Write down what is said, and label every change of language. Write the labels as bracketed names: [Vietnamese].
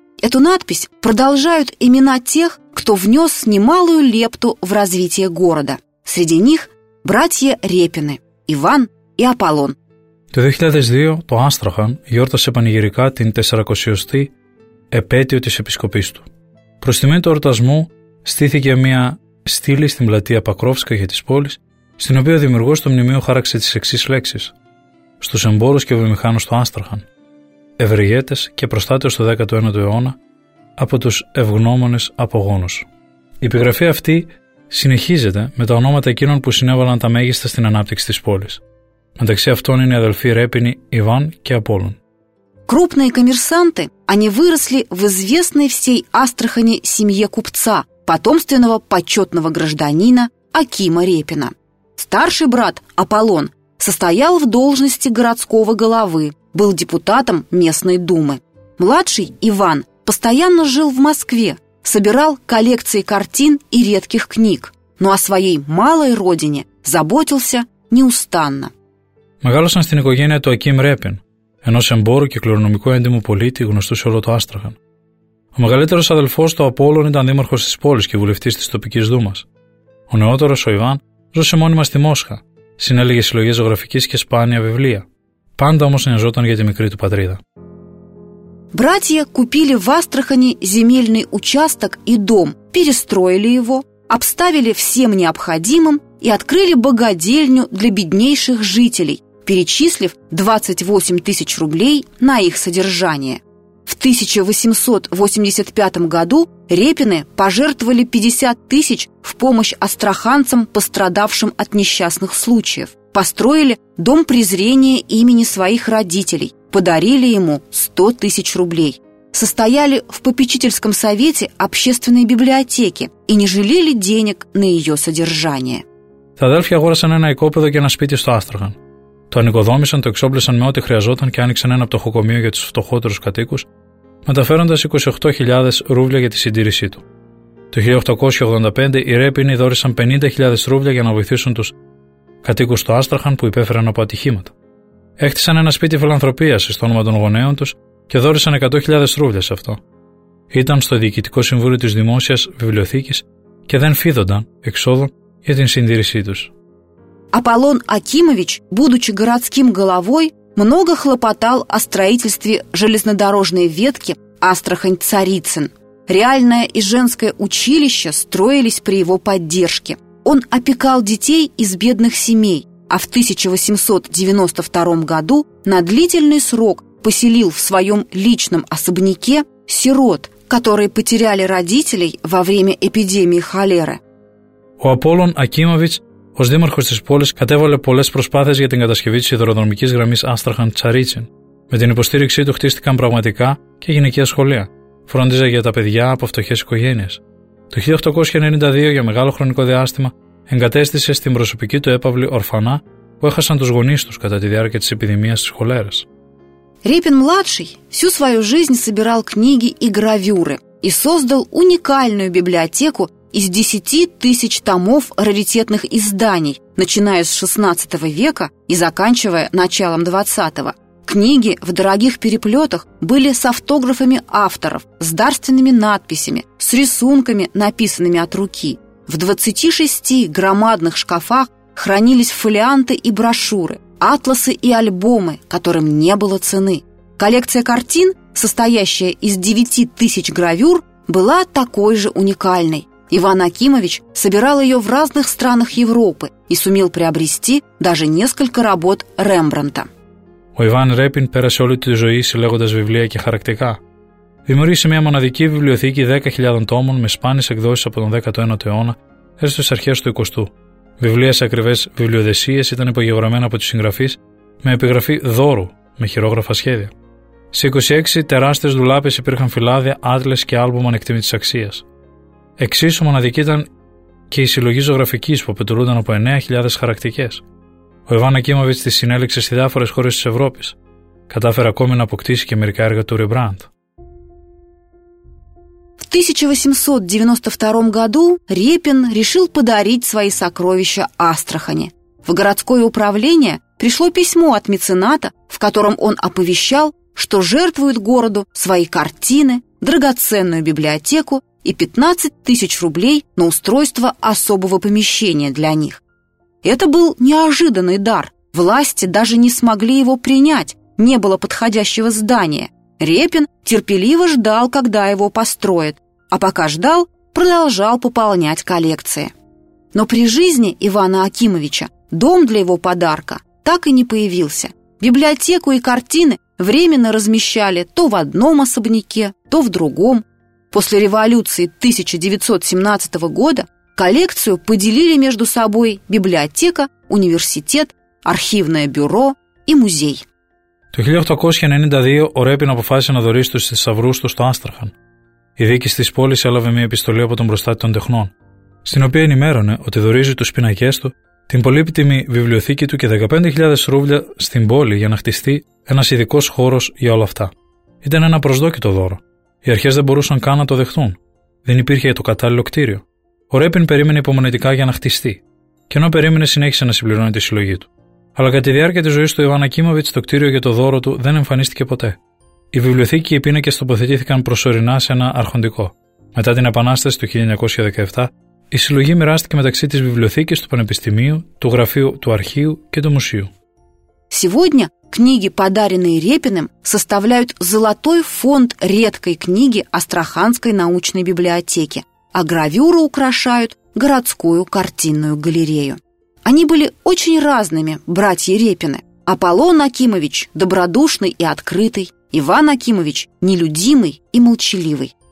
[Russian] Эту надпись продолжают имена тех, кто внес немалую лепту в развитие города. Среди них братья Репины, Иван и Аполлон. В 2002 году Астрахан [Greek] γιόρτασε πανηγυρικά την 400η επέτειο της επισκοπής του. Προς τιμή του εορτασμού στήθηκε μια στήλη στην πλατεία Πακρόφσκα για τις πόλεις, στην οποία ο δημιουργός του μνημείου χάραξε τις εξής λέξεις στους εμπόρους και βιομηχάνους του Άστραχαν, ευεργέτες και προστάτες του 19ου αιώνα από τους ευγνώμονες απογόνους. Η επιγραφή αυτή συνεχίζεται με τα ονόματα εκείνων που συνέβαλαν τα μέγιστα στην ανάπτυξη της πόλης. Μεταξύ αυτών είναι οι αδελφοί Ρέπινη, Ιβάν και Απόλλων. [Russian] Крупные коммерсанты, они выросли в известной всей Астрахани семье купца, потомственного почетного гражданина Акима Репина. Старший брат Аполлон состоял в должности городского головы, был депутатом местной думы. Младший Иван постоянно жил в Москве, собирал коллекции картин и редких книг, но о своей малой родине заботился неустанно. [Greek] Мегалосан στην οικογένεια του Аким Репин, ενός εμπόρου και κληρονομικού έντιμου πολίτη γνωστού σε όλο το Άστραχαν. Ο μεγαλύτερος αδελφός του Απόλλων ήταν δήμαρχος της πόλης και βουλευτής της τοπικής δούμας. Ο νεότερος, ο Ιβάν, ζούσε μόνιμα στη Μόσχα, συνέλεγε συλλογές ζωγραφικής και σπάνια βιβλία. Πάντα όμως νοιαζόταν για τη μικρή του πατρίδα. [Russian] Братья купили в Астрахани земельный участок и дом, перестроили его, обставили всем необходимым и открыли богадельню для беднейших жителей, перечислив 28 тысяч рублей на их содержание. В 1885 году Репины пожертвовали 50 тысяч в помощь астраханцам, пострадавшим от несчастных случаев. Построили дом презрения имени своих родителей, подарили ему 100 тысяч рублей. Состояли в попечительском совете общественной библиотеки и не жалели денег на ее содержание. [Greek] Τα αδέλφια αγόρασαν ένα οικόπεδο και ένα σπίτι στο Άστραχαν. Το ανοικοδόμησαν, το εξόπλισαν με ό,τι χρειαζόταν και άνοιξαν ένα πτωχοκομείο για τους φτωχότερους κατοίκους, μεταφέροντας 28.000 ρούβλια για τη συντήρησή του. Το 1885 οι Ρέπινοι δώρησαν 50.000 ρούβλια για να βοηθήσουν τους κατοίκους στο Άστραχαν που υπέφεραν από ατυχήματα. Έχτισαν ένα σπίτι φιλανθρωπίας στο όνομα των γονέων τους και δώρησαν 100.000 ρούβλια σε αυτό. Ήταν στο Διοικητικό Συμβούλιο της Δημόσιας Βιβλιοθήκης και δεν φίδονταν εξόδων για την συντήρησή τους. [Russian] Аполлон Акимович, будучи городским головой, много хлопотал о строительстве железнодорожной ветки Астрахань-Царицын. Реальное и женское училище строились при его поддержке. Он опекал детей из бедных семей, а в 1892 году на длительный срок поселил в своем личном особняке сирот, которые потеряли родителей во время эпидемии холеры. [Greek] У Аполлон Акимович ως δήμαρχος της πόλης κατέβαλε πολλές προσπάθειες για την κατασκευή της σιδηροδρομικής γραμμής Άστραχαν-Τσαρίτσιν. Με την υποστήριξή του χτίστηκαν πραγματικά και γυναικεία σχολεία. Φρόντιζε για τα παιδιά από φτωχές οικογένειες. Το 1892, για μεγάλο χρονικό διάστημα, εγκατέστησε στην προσωπική του έπαυλη ορφανά που έχασαν τους γονείς τους κατά τη διάρκεια της επιδημίας της χολέρας. [Russian] Ρέπιν младший всю свою жизнь собирал книги и гравюры и создал уникальную библиотеку из 10 000 томов раритетных изданий, начиная с XVI века и заканчивая началом XX. Книги в дорогих переплетах были с автографами авторов, с дарственными надписями, с рисунками, написанными от руки. В 26 громадных шкафах хранились фолианты и брошюры, атласы и альбомы, которым не было цены. Коллекция картин, состоящая из 9 000 гравюр, была такой же уникальной. Иван Акимович собирал ее в разных странах Европы и сумел приобрести даже несколько работ Рембрандта. [Greek] Ο Ιβάν Ρέπιν πέρασε όλη τη ζωή συλλέγοντας βιβλία και χαρακτικά. Δημιούργησε μια μοναδική βιβλιοθήκη 10.000 τόμων με σπάνιες εκδόσεις από τον 19ο αιώνα έως τις αρχές του 20ου. Βιβλία σε ακριβές βιβλιοδεσίες ήταν υπογεγραμμένα από τους συγγραφείς με επιγραφή δώρου με χειρόγραφα σχέδια. Σε 26 τεράστιες δουλάπες υπήρχαν φυλάδια, άτλες και άλμπουμ ανεκτήμητης αξίας. Εξίσου μοναδική ήταν και η συλλογή ζωγραφικής που αποτελούνταν από 9.000 χαρακτικές. Ο Ιβάν Ακίμοβιτς τη συνέλεξε σε διάφορες χώρες της Ευρώπης. Κατάφερε ακόμη να αποκτήσει και μερικά έργα του Ρεμπράντ. [Russian] В 1892 году Репин решил подарить свои сокровища Астрахани. В городское управление пришло письмо от мецената, в котором он оповещал, что жертвует городу свои картины, драгоценную библиотеку и 15 000 рублей на устройство особого помещения для них. Это был неожиданный дар. Власти даже не смогли его принять. Не было подходящего здания. Репин терпеливо ждал, когда его построят. А пока ждал, продолжал пополнять коллекции. Но при жизни Ивана Акимовича дом для его подарка так и не появился. Библиотеку и картины временно размещали то в одном особняке, то в другом. После революции 1917 года коллекцию поделили между собой библиотека, университет, архивное бюро и музей. [Greek] Το 1892 ο Ρέπιν αποφάσισε να δωρήσει τους θησαυρούς του στο Άστραχαν. Η διοίκηση της πόλης έλαβε μια επιστολή από τον προστάτη των τεχνών, στην οποία ενημέρωνε ότι δωρίζει τους πινακές του, την πολύπτιμη βιβλιοθήκη του και 15.000 ρούβλια στην πόλη για να χτιστεί ένας ειδικός χώρος για όλα αυτά. Ήταν ένα προσδόκητο δώρο. Οι αρχές δεν μπορούσαν καν να το δεχτούν. Δεν υπήρχε το κατάλληλο κτίριο. Ο Ρέπιν περίμενε υπομονετικά για να χτιστεί, και ενώ περίμενε, συνέχισε να συμπληρώνει τη συλλογή του. Αλλά κατά τη διάρκεια της ζωής του Ιβάν Ακίμοβιτς, το κτίριο για το δώρο του δεν εμφανίστηκε ποτέ. Η βιβλιοθήκη και οι πίνακες τοποθετήθηκαν προσωρινά σε ένα αρχοντικό. Μετά την Επανάσταση του 1917, η συλλογή μοιράστηκε μεταξύ της βιβλιοθήκης του Πανεπιστημίου, του Γραφείου του Αρχείου και του Μουσείου. [Russian] Сегодня книги, подаренные Репиным, составляют золотой фонд редкой книги Астраханской научной библиотеки. А гравюры украшают городскую картинную галерею. Они были очень разными, братья Репины. Аполлон Акимович – добродушный и открытый, Иван Акимович – нелюдимый и молчаливый.